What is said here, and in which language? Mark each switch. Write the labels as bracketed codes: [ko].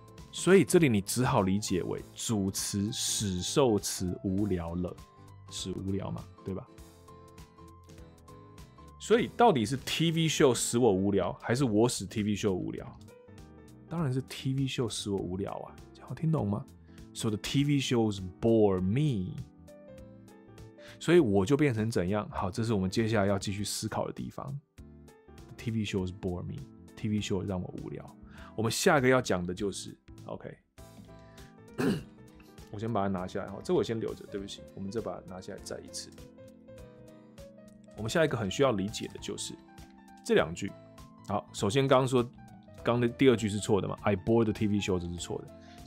[zh] 所以这里你只好理解为主词使受词无聊了，使无聊嘛，对吧？所以到底是 TV show 使我无聊，还是我使 TV show 无聊？当然是 TV show 使我无聊啊，这样听懂吗？ [en] So the TV shows bore me， [zh] 所以我就变成怎样？好，这是我们接下来要继续思考的地方。 [en] The、TV shows bore me， TV show [zh] 让我无聊。我们下一个要讲的就是 ，OK， 我先把它拿下来哈，这我先留着，对不起，我们再把它拿下来再一次。我们下一个很需要理解的就是这两句。好，首先刚刚说，刚的第二句是错的嘛 ？ [en] I bore the TV show， [zh] 这是错的。